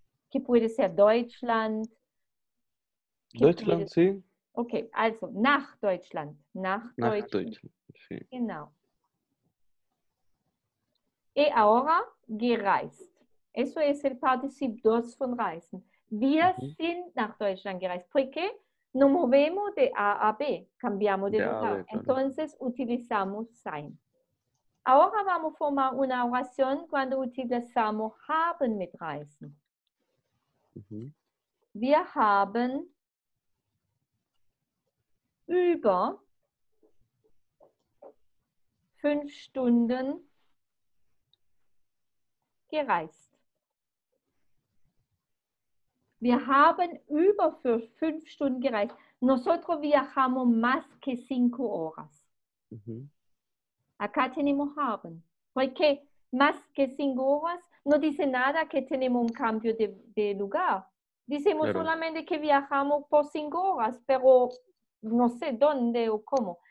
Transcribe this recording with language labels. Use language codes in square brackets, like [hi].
[es] Que puede ser Deutschland. Deutschland, sí. [de] Ok, also nach Deutschland. Nach Deutschland. Genau. [es] E ahora gereist. Eso es el participio 2 [de] von reisen. Wir sind nach Deutschland gereist. [es] Porque nos movemos de A a B. Cambiamos de lugar. Claro. Entonces utilizamos sein. Ahora vamos a formar una oración cuando utilizamos haben [de] mit reisen. Uh-huh. Wir haben über 5 Stunden gereist. Wir haben über 5 Stunden gereist. [es] Nosotros viajamos más que 5 horas. Uh-huh. Acá tenemos haben. Porque más que 5 horas no dice nada que tenemos un cambio de lugar. Dicemos claro. solamente que viajamos por 5 horas, pero no sé dónde o cómo.